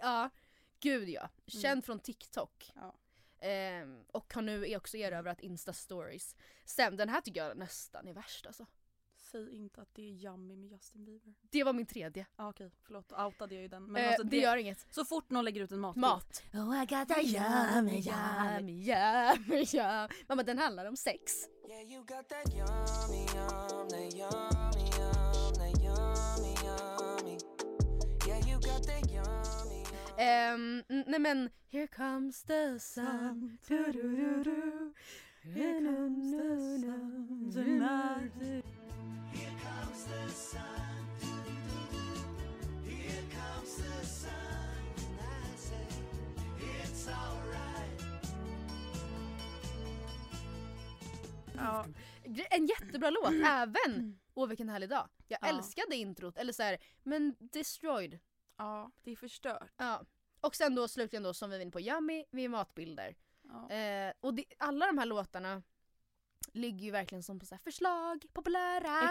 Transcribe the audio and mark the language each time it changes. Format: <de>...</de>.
<sv>Ja. Gud ja. Känd från TikTok. Ja. Och har nu också erövrat Insta Stories. Sen, den här tycker jag nästan är värst alltså. Säg inte att det är Yummy med Justin Bieber. Det var min tredje. Ah, okej, förlåt. Outade jag ju den. Men alltså det gör inget. Så fort någon lägger ut en matbit. Mat.</sv> <en>Oh, I got that yummy, yummy, yummy, yummy.</en> <sv>Mamma, den handlar om sex.</sv> <en>Yeah, you got that yummy, yummy, yummy, yummy, yummy. Yeah, you got that yummy, yummy.</en> <sv>Nej, men</sv> <en>here comes the sun. Do-do-do-do. Here comes the sun. Do-do-do-do. Here comes the sun, here comes the sun, and I say, it's alright. Ja.</en> <sv>En jättebra låt, även, åh vilken härlig dag. Jag älskade introt, eller så här, men destroyed. Ja, det är förstört. Ja. Och sen då slutligen då, som vi var inne på, Yummy, vi är matbilder. Ja. Och det, alla de här låtarna ligger ju verkligen som på så här, förslag, populära.</sv>